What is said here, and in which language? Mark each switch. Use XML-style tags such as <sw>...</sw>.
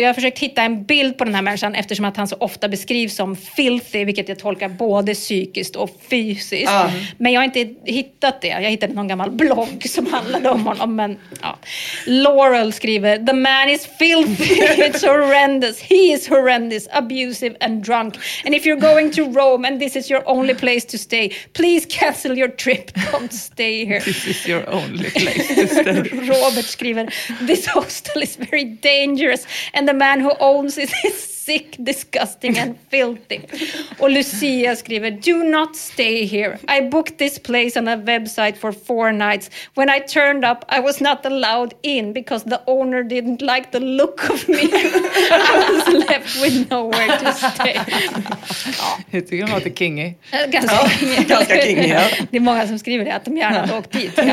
<sv>Jag har försökt hitta en bild på den här människan eftersom att han så ofta beskrivs som filthy, vilket jag tolkar både psykiskt och fysiskt. Mm. Men jag har inte hittat det. Jag hittade någon gammal blogg som handlade om honom. Men, ja. Laurel skriver:</sv> <en>the man is filthy, it's horrendous. He is horrendous, abusive and drunk. And if you're going to Rome and this is your only place to stay, please cancel your trip, don't stay here. This is your only place.</en> <sv>Robert skriver:</sv> <en>this hostel is very dangerous and the man who owns it is sick, disgusting and filthy.</en> <sv>Och Lucia skriver:</sv> <en>do not stay here. I booked this place on a website for 4 nights. When I turned up, I was not allowed in because the owner didn't like the look of me. I was left with nowhere to stay.</en> <sv>Jag tycker att det är kingy. Ganska kingy. Det är många som skriver det, att de gärna har åkt dit.</sv>